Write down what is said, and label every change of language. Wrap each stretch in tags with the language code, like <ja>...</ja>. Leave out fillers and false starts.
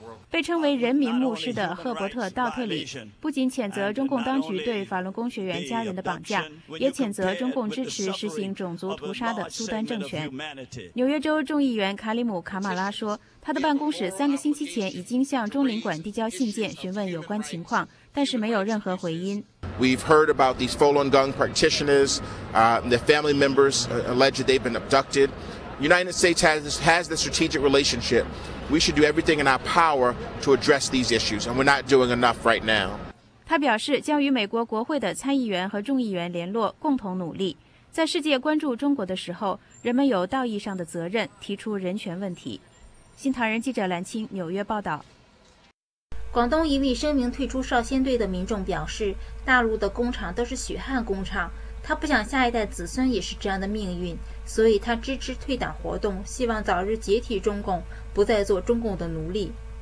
<zh>被称为人民牧师的赫伯特·道特里不仅谴责中共当局对法轮功学员家人的绑架，也谴责中共支持实行种族屠杀的苏丹政权。纽约州众议员卡里姆·卡马拉说，他的办公室3个星期前已经向中领馆递交信件询问有关情况，但是没有任何回音。</zh> <en>We've heard about these Falun Gong practitioners, their family members alleged they've been abducted. United States has the strategic relationship. We should do everything in our power to address these issues, and we're not doing enough right now.</en> <zh>他表示将与美国国会的参议员和众议员联络，共同努力。在世界关注中国的时候，人们有道义上的责任提出人权问题。新唐人记者蓝青，纽约报道。广东一位声明退出少先队的民众表示，大陆的工厂都是血汗工厂，他不想下一代子孙也是这样的命运，所以他支持退党活动，希望早日解体中共，不再做中共的奴隶。</zh>